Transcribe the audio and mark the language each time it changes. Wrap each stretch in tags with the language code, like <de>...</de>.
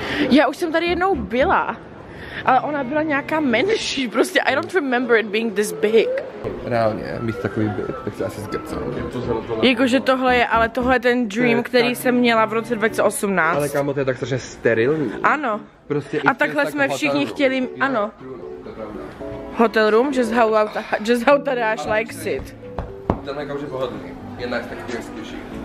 <cs>Já už jsem tady jednou byla. Ale ona byla nějaká menší, prostě</cs> <en>I don't remember it being this big.</en> <cs>Reálně, mít takový byt, tak se asi zgrcám. Jakože tohle je, ale tohle je ten dream, je, který tak jsem měla v roce 2018. Ale kámo, to je tak strašně sterilní. Ano. Prostě a takhle jsme všichni chtěli, ano.</cs> <en>Hotel room, just how that Ash likes it.</en> <cs>Ten je pohodlný, je nice, tak skvělý.</cs>